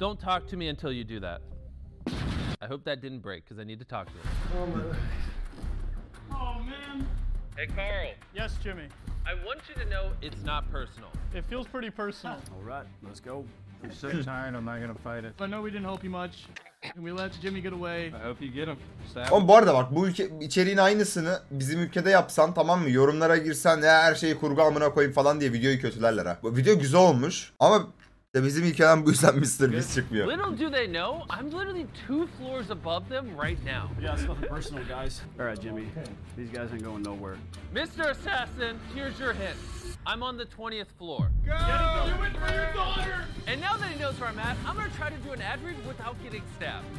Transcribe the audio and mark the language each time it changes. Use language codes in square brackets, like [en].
[en] Don't talk to me until you do that. I hope that didn't break because I need to talk to you. Oh my. Oh man. Hey Carl. Yes, Jimmy. I want you to know it's not personal. It feels pretty personal. All right, let's go. I'm so tired, I'm not gonna fight it. I know we didn't help you much. And we let Jimmy get away. I hope you get him. [tr] Oğlum bu arada bak, bu ülke içeriğin aynısını bizim ülkede yapsan, tamam mı? Yorumlara girsen ya, her şeyi kurgu amına koyayım falan diye videoyu kötülerler ha. Bu video güzel olmuş ama bizim ülkeden bu yüzden Mr. Biz çıkmıyor. [en] Little do they know, I'm literally two floors above them right now. Yeah, it's nothing personal, guys. Alright, Jimmy. These guys ain't going nowhere. Mr. Assassin, here's your hint. I'm on the 20th floor. Go! Get him, do it for your daughter! And now that he knows where I'm at, I'm gonna try to do an ad read without getting stabbed.